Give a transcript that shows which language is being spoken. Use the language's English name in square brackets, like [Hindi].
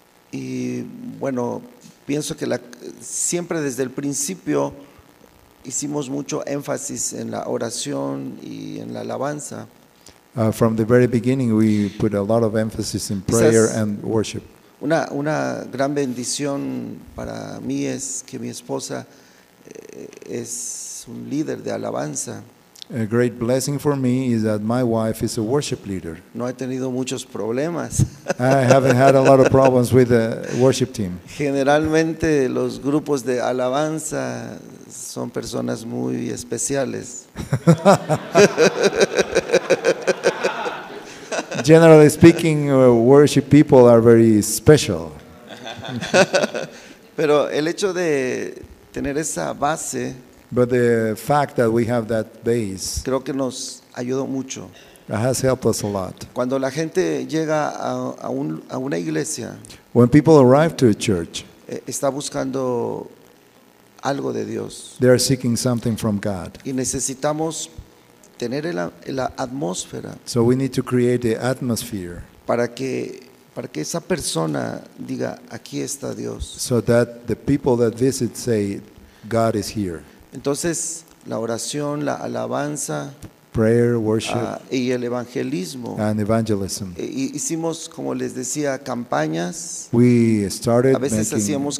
[Spanish] Y bueno, pienso que siempre desde el principio hicimos mucho énfasis en la oración y en la alabanza. [English] From the very beginning, we put a lot of emphasis in prayer and worship. [Spanish] Una gran bendición para mí es que mi esposa es un líder de alabanza. [English] A great blessing for me is that my wife is a worship leader. [Spanish] No he tenido muchos problemas. [English] I haven't had a lot of problems with the worship team. [Spanish] Generalmente los grupos de alabanza son personas muy especiales. [English] Generally speaking, worship people are very special. [Spanish] Pero el hecho de tener esa base, [English] but the fact that we have that base, [Spanish] creo que nos ayudó mucho. [English] That has helped us a lot. [Spanish] Cuando la gente llega a una iglesia, [English] when people arrive to a church, [Spanish] está buscando algo de Dios. [English] They are seeking something from God. [Spanish] Y necesitamos tener la atmósfera. [English] So we need to create the atmosphere. [Spanish] Para que esa persona diga, aquí está Dios. [English] So that the people that visit say, God is here. [Spanish] Entonces, la oración, la alabanza, [English] prayer, worship, [Spanish] y el evangelismo, [English] and evangelism. [Spanish] Hicimos, como les decía, campañas. [English] We started [Spanish] a veces [English] making [Spanish] hacíamos